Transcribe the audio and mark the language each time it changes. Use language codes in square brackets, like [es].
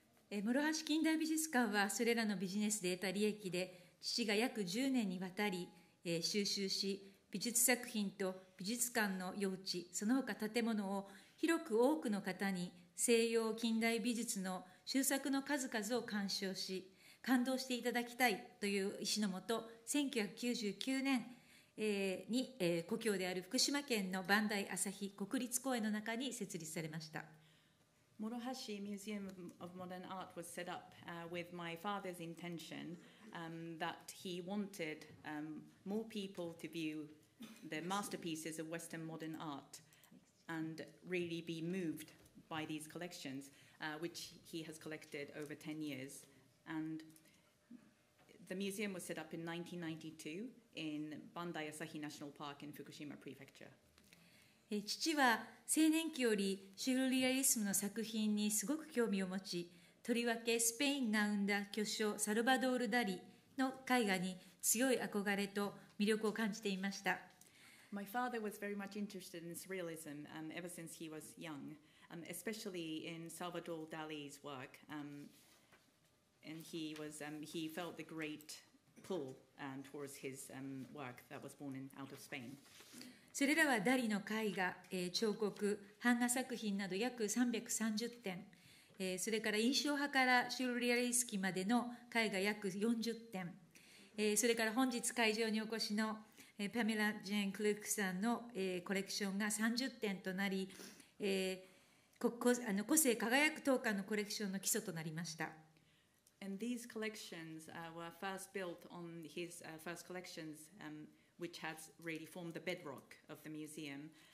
[ja] 諸橋近代美術館はそれらのビジネスで得た利益で、父が約10年にわたり、収集し、美術作品と美術館の用地、その他建物を広く多くの方に西洋近代美術の収作の数々を鑑賞し、感動していただきたいという意思のもと、1999年、故郷である福島県のバンダイ朝日国立公園の中に設立されました。 [en] 諸橋 Museum of Modern Art was set up with my father's intention that he wanted more people to view the masterpieces of Western modern art and really be moved by these collections which he has collected over 10 years. And the museum was set up in 1992in Bandai Asahi National Park in Fukushima Prefecture. [ja] 父は青年期よりシュルレアリスムの作品にすごく興味を持ち、とりわけスペインが生んだ巨匠サルバドール・ダリの絵画に強い憧れと魅力を感じていました。 [en] My father was very much interested in surrealism ever since he was young, especially in Salvador Dali's work, and he felt the great pull towards his work that was born in, out of Spain. [ja] それらはダリの絵画、彫刻、版画作品など約330点、それから印象派からシュルレアリスキまでの絵画約40点、それから本日会場にお越しの、パメラ・ジェーン・クルークさんの、コレクションが30点となり、個性輝く当館のコレクションの基礎となりました。 [en] And these collections were first built on his first collections, which has really formed the bedrock of the museum.